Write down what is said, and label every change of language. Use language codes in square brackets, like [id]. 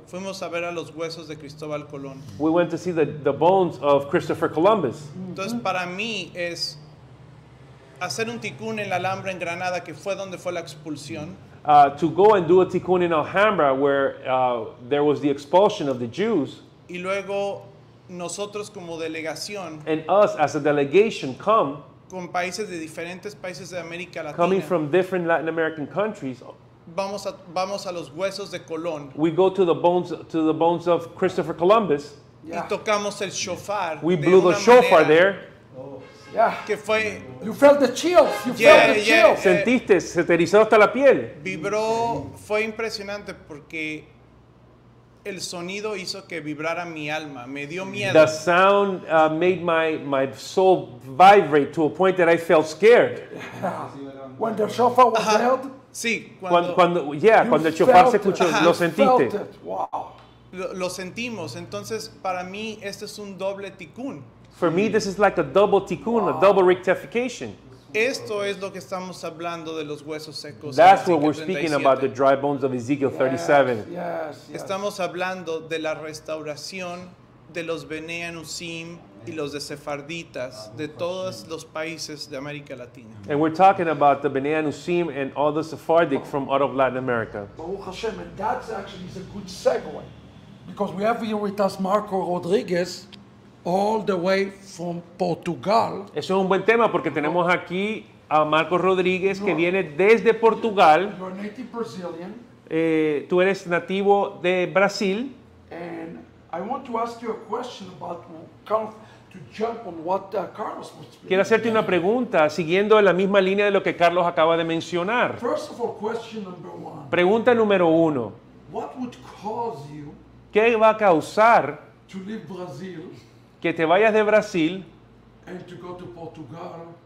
[es] Fuimos a ver a los huesos de Cristóbal Colón. [en] We went to see the bones of Christopher Columbus. [es] Entonces para mí es hacer un tikkun en la Alhambra en Granada, que fue donde fue la expulsión. [en] To go and do a tikkun in Alhambra, where there was the expulsion of the Jews. [es] Y luego nosotros como delegación. [en] And us as a delegation come. [es] Con países de diferentes países de América Latina. [en] Coming from different Latin American countries. [es] Vamos a los huesos de Colón. [en] We go to the bones of Christopher Columbus. Yeah. [es] Y tocamos el shofar. [en] We blew the shofar there. Yeah. [es] Que fue, [en] you felt the chills. You felt the chills. [es] Sentiste, se te erizó hasta la piel. Vibró, fue impresionante porque el sonido hizo que vibrara mi alma. Me dio miedo. [en] The sound made my soul vibrate to a point that I felt scared. When the shofar was held. [es] Sí. Cuando el shofar se escuchó, lo sentiste. Lo sentimos. Entonces, para mí, este es un doble tikkun. [en] For me, this is like a double tikkun, a double rectification. [es] Esto es lo que estamos hablando de los huesos secos. [en] That's what we're speaking about, the dry bones of Ezekiel 37. Yes, yes, yes. [es] Estamos hablando de la restauración de los Bene Anusim y los de Sefarditas de todos los países de América Latina. [en] And we're talking about the Bene Anusim and all the Sephardic from out of Latin America. Baruch Hashem, and that's actually is a good segue. Because we have here with us Marco Rodriguez, all the way from Portugal. [es] Eso es un buen tema porque tenemos aquí a Marcos Rodríguez que viene desde Portugal. [en] You're a native Brazilian. [es] Tú eres nativo de Brasil. [en] And I want to ask you a question about kind of to jump on what Carlos was speaking. [es] Quiero hacerte una pregunta siguiendo la misma línea de lo que Carlos acaba de mencionar. [en] First of all, question number one. [es] Pregunta número uno. [en] What would cause you? [es] ¿Qué va a causar [en] to leave Brazil? [es] Que te vayas de Brasil [en] and to go to Portugal,